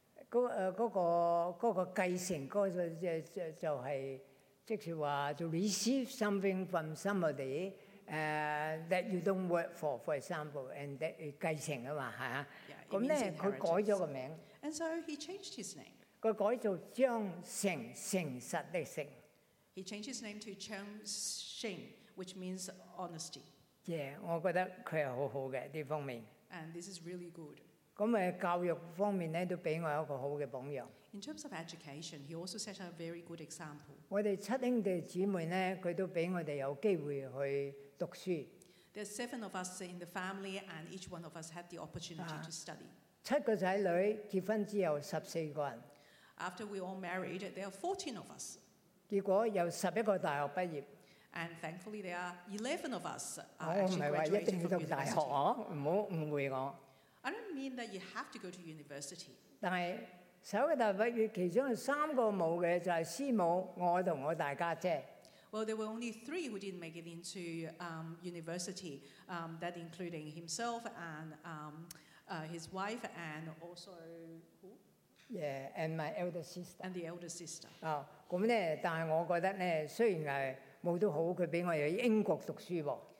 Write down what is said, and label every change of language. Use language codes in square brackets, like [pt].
[yue] 嗰個繼承嗰個即是話 [en] to receive something from somebody that you don't work for example, and that [yue] 繼承啊嘛嚇。咁咧佢改咗個名。 [en] And so he changed his name. [yue] 佢改做張成，誠實的誠。 [en] He changed his name to Cheng Xing, which means honesty. [yue] Yeah, 我覺得佢係好好嘅呢方面。 [en] And this is really good. [yue] 咁誒教育方面咧，都俾我一個好嘅榜樣。 [en] In terms of education, he also set a very good example. [yue] 我哋七兄弟姊妹咧，佢都俾我哋有機會去讀書。 [en] There are seven of us in the family, and each one of us had the opportunity to study. [yue] 七個仔女結婚之後，14個人。 [en] After we all married, there are 14 of us. [yue] 結果有11個大學畢業。 [en] And thankfully, there are 11 of us. [yue] 我唔係話一定要讀大學，唔好誤會我。 [en] I don't mean that you have to go to university. [yue] 但係首個大學畢業，其中三個冇嘅就係師母，我同我大家姐。 [en] Well, there were only three who didn't make it into university. That including himself and his wife and also who? Yeah, and my elder sister. And the elder sister. [yue] 咁咧，但係我覺得咧，雖然係冇都好，佢俾我去英國讀書喎。